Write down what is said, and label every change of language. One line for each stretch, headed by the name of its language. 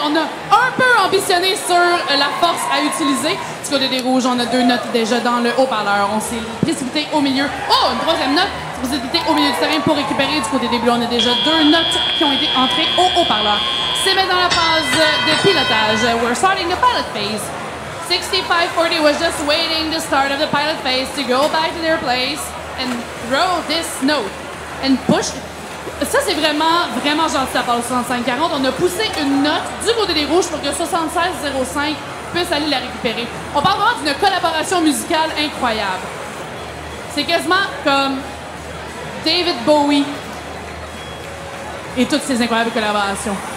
French: On a un peu ambitionné sur la force à utiliser. Du côté des rouges, on a deux notes déjà dans le haut-parleur. On s'est précipité au milieu. Oh! Une troisième note! Vous êtes au milieu du terrain pour récupérer. Du côté des bleus, on a déjà deux notes qui ont été entrées au haut-parleur. C'est maintenant la phase de pilotage.
English: We're starting the pilot phase. 6540 was just waiting the start of the pilot phase to go back to their place and throw this note and push.
French: Ça, c'est vraiment, vraiment gentil à part le 6540. On a poussé une note du côté des rouges pour que 7605 puisse aller la récupérer. On parle vraiment d'une collaboration musicale incroyable. C'est quasiment comme David Bowie et toutes ces incroyables collaborations.